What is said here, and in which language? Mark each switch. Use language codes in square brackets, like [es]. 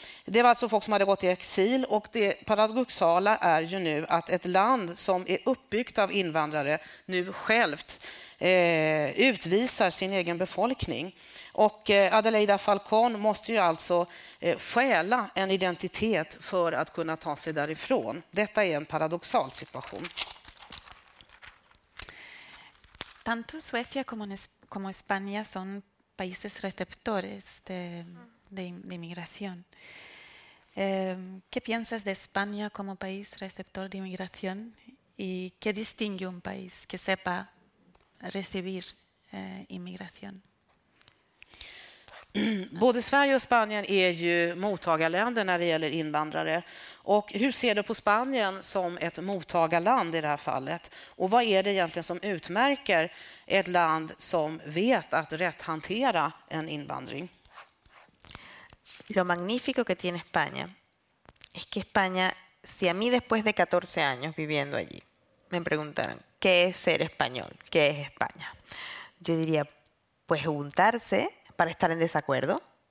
[sv] Det var alltså folk som hade gått i exil, och det paradoxala är ju nu att ett land som är uppbyggt av invandrare nu självt utvisar sin egen befolkning. Och Adelaida Falcón måste ju alltså stjäla en identitet för att kunna ta sig därifrån. Detta är en paradoxal situation. [es] Tanto Suecia como España son países receptores de inmigración. ¿Qué piensas de España como país receptor de inmigración y qué distingue un país que sepa recibir inmigración? [sv] Både Sverige och Spanien är ju mottagarländer när det gäller invandrare. Och hur ser du på Spanien som ett mottagarland i det här fallet? Och vad är det egentligen som utmärker ett land som vet att rätt hantera en invandring? [es] Lo magnífico que tiene España es que España, si a mí después de 14 años viviendo allí me preguntaran qué es ser español, qué es España, yo diría, pues juntarse para estar en desacuerdo.